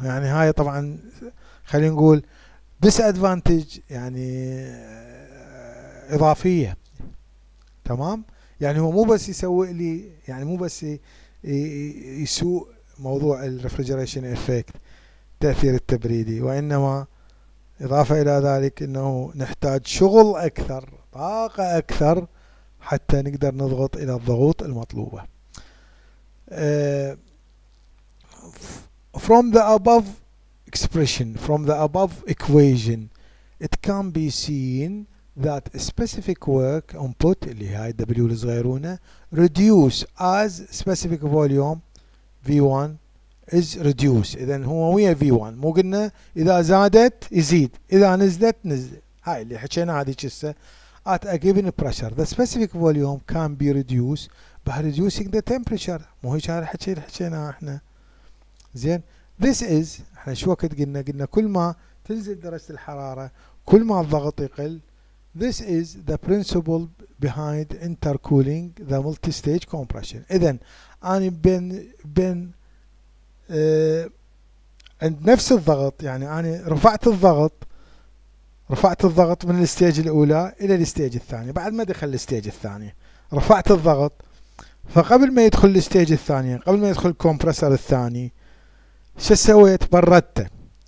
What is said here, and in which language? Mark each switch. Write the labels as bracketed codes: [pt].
[ar] يعني هاي طبعا خلينا نقول ديس ادفانتج، يعني اضافية، تمام؟ يعني هو مو بس يسوي لي، يعني مو بس يسوء موضوع الريفريجريشن افكت، تأثير التبريدي، وإنما إضافة إلى ذلك أنه نحتاج شغل أكثر، طاقة أكثر، حتى نقدر نضغط إلى الضغوط المطلوبة. [en] From the above expression, from the above equation, it can be seen that specific work input [ar] اللي هاي W الصغيرونة [en] reduce as specific volume V1 is reduced. [ar] إذن هو ويا V1، مو قلنا إذا زادت يزيد، إذا نزلت نزل، هاي اللي حكينا هذه كسة. [en] At a given pressure the specific volume can be reduced by reducing the temperature، [ar] مو هيك هاي الحكي اللي حكينا احنا. زين [en] this is، [ar] احنا شو وقت قلنا كل ما تنزل درجة الحرارة كل ما الضغط يقل. [en] This is the principle behind intercooling the multi-stage compression. [ar] إذن أنا بين عند نفس الضغط، يعني أنا رفعت الضغط من الستيج الأولى إلى الستيج الثاني، بعد ما دخل الستيج الثاني رفعت الضغط، فقبل ما يدخل الستيج الثاني، قبل ما يدخل الكومبرسر الثاني، شو سويت؟ بردته.